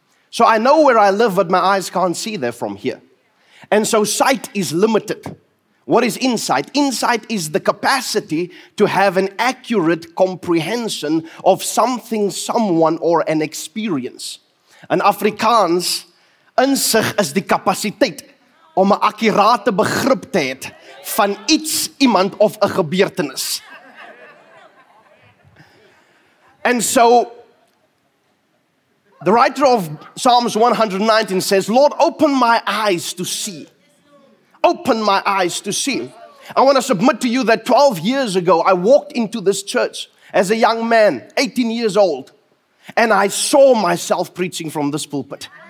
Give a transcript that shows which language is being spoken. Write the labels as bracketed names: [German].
[English] So I know where I live, but my eyes can't see there from here. And so sight is limited. What is insight? Insight is the capacity to have an accurate comprehension of something, someone, or an experience. [Afrikaans] In Afrikaans, insig is die kapasiteit om 'n akkurate begrip te hê van iets, iemand, of 'n gebeurtenis. [English] And so, the writer of Psalms 119 says, "Lord, open my eyes to see." Open my eyes to see. I want to submit to you that 12 years ago, I walked into this church as a young man, 18 years old, and I saw myself preaching from this pulpit.